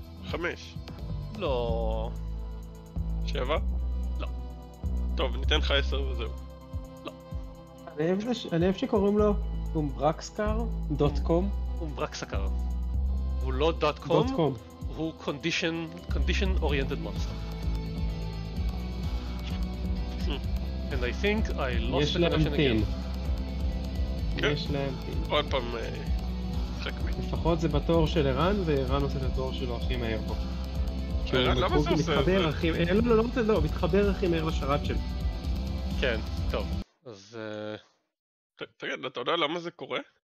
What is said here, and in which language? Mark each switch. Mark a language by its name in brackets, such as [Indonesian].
[Hebrew] חמש. לא. שבע? לא. טוב, ניתן לך עשר וזהו. לא. אני אוהב שקוראים לו umbraxcar.com. umbraxcar. הוא לא .com, הוא [English] condition oriented monster. And I think I lost the connection again. [Hebrew] יש להם פעיל. עוד פעם, חק מי. לפחות זה בתור של ערן, וערן עושה את התור שלו הכי מהר פה. ערן, למה זה עושה? אין לו, לא רוצה, לא, מתחבר הכי מהר לשרת שלו. כן, טוב. אז... תגיד, אתה יודע למה זה קורה?